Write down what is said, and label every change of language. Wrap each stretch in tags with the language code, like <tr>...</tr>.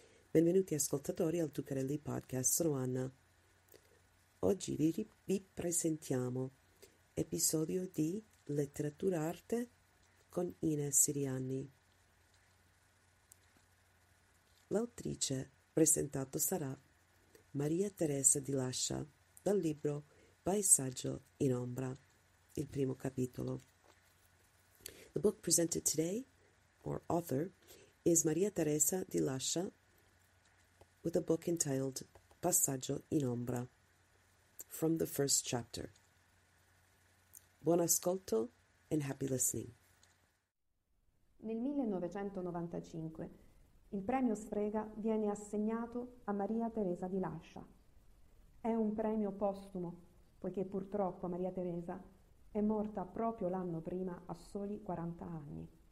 <it>Benvenuti ascoltatori al Tu Cara Lee podcast, sono Anna. Oggi vi presentiamo episodio di letteratura arte con Ines Siriani. L'autrice presentato sarà Maria Teresa di Lascia dal libro Paesaggio in ombra, il primo capitolo.</it> <en>The book presented today, or author, is Maria Teresa di Lascia with a book entitled Passaggio in ombra, from the first chapter.</en> <it>Buon ascolto</it> <en>and happy listening.</en> <it>Nel 1995 il premio Sfrega viene assegnato a Maria Teresa di Lascia. È un premio postumo, poiché purtroppo Maria Teresa è morta proprio l'anno prima a soli 40 anni.</it>